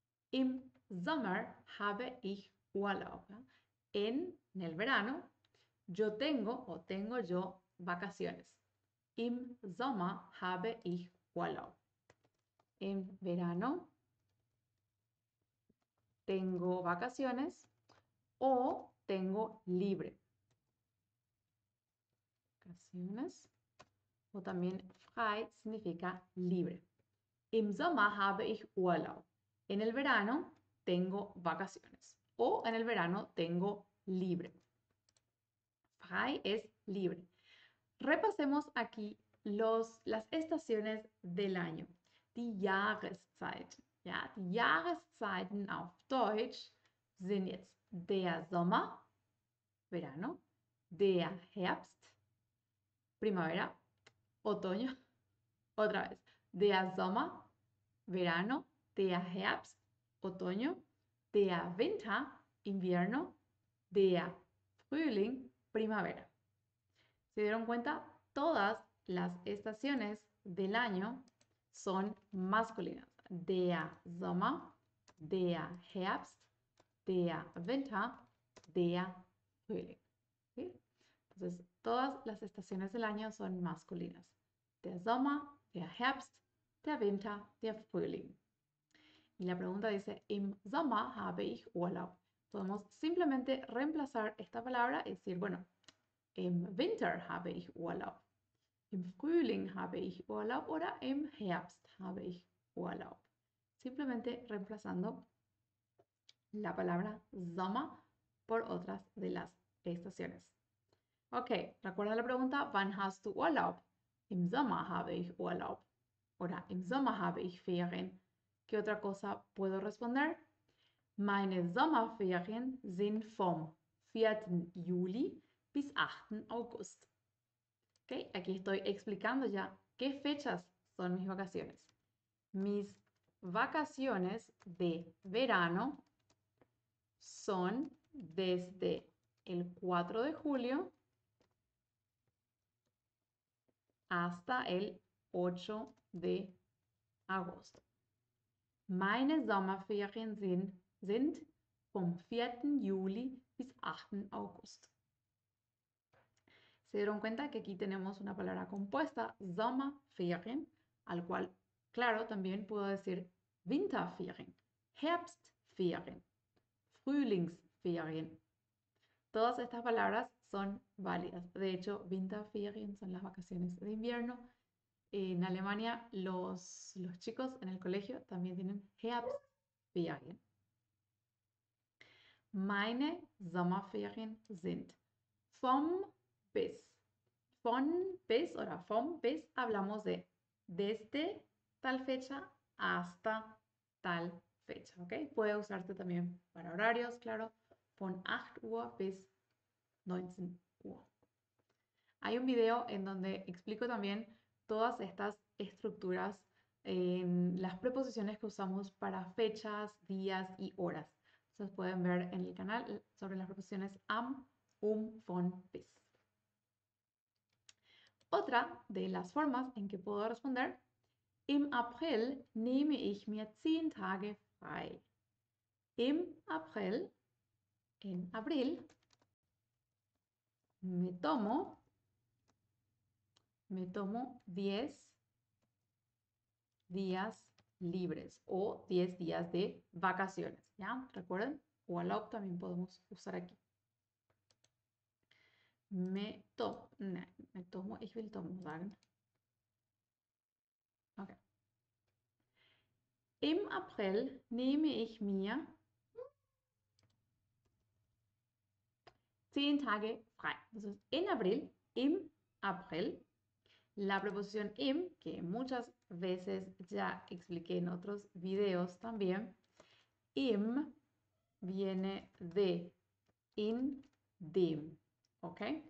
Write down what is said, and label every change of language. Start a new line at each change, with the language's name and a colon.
German: Im Sommer habe ich Urlaub.
Spanish: En el verano, yo tengo o tengo yo vacaciones.
German: Im Sommer habe ich Urlaub.
Spanish: En verano, tengo vacaciones o tengo libre. vacaciones. O también frei significa libre.
German: Im Sommer habe ich Urlaub.
Spanish: En el verano tengo vacaciones. O en el verano tengo libre. Frei es libre. Repasemos aquí las estaciones del año.
German: Die Jahreszeit. Ja, die Jahreszeiten auf Deutsch sind jetzt der Sommer, verano, der Herbst, primavera, otoño, otra vez, der Sommer, verano, der Herbst, otoño, der Winter, invierno, der Frühling, primavera.
Spanish: ¿Se dieron cuenta? Todas las estaciones del año son masculinas.
German: Der Sommer, der Herbst, der Winter, der Frühling.
Spanish: ¿Sí? Entonces, todas las estaciones del año son masculinas.
German: Der Sommer, der Herbst, der Winter, der Frühling.
Spanish: Y la pregunta dice,
German: Im Sommer habe ich Urlaub.
Spanish: Podemos simplemente reemplazar esta palabra y decir, bueno,
German: Im Winter habe ich Urlaub. Im Frühling habe ich Urlaub. Oder Im Herbst habe ich Urlaub.
Spanish: Simplemente reemplazando la palabra Sommer por otras de las estaciones. Ok, recuerda la pregunta,
German: ¿Wann hast du Urlaub? Im Sommer habe ich Urlaub. Oder Im Sommer habe ich Ferien.
Spanish: ¿Qué otra cosa puedo responder?
German: Meine Sommerferien sind vom 4. Juli bis 8. August.
Spanish: Ok, aquí estoy explicando ya qué fechas son mis vacaciones. Mis vacaciones de verano son desde el 4 de julio hasta el 8 de agosto.
German: Meine Sommerferien sind vom 4. Juli bis 8. August.
Spanish: ¿Se dieron cuenta que aquí tenemos una palabra compuesta, Sommerferien, al cual, claro, también puedo decir Winterferien, Herbstferien, Frühlingsferien. Todas estas palabras son válidas. De hecho, Winterferien son las vacaciones de invierno. En Alemania, los chicos en el colegio también tienen Herbstferien.
German: Meine Sommerferien sind vom bis.
Spanish: Vom bis hablamos de desde tal fecha hasta tal fecha, ¿ok? Puede usarte también para horarios, claro,
German: von 8 Uhr bis 19 Uhr.
Spanish: Hay un video en donde explico también todas estas estructuras en las preposiciones que usamos para fechas, días y horas. Ustedes pueden ver en el canal sobre las preposiciones am, von, bis. Otra de las formas en que puedo responder.
German: Im April nehme ich mir 10 Tage frei. Im April,
Spanish: en abril, me tomo 10 días libres o 10 días de vacaciones. ¿Ya? Recuerden, Urlaub también podemos usar aquí. Me tomo, nein, me tomo,
German: ich will
Spanish: tomo, sagen. Okay.
German: Im April nehme ich mir 10 Tage frei.
Spanish: Entonces, en abril,
German: im April,
Spanish: la preposición im, que muchas veces ya expliqué en otros videos también, im viene de
German: in dem,
Spanish: ¿ok?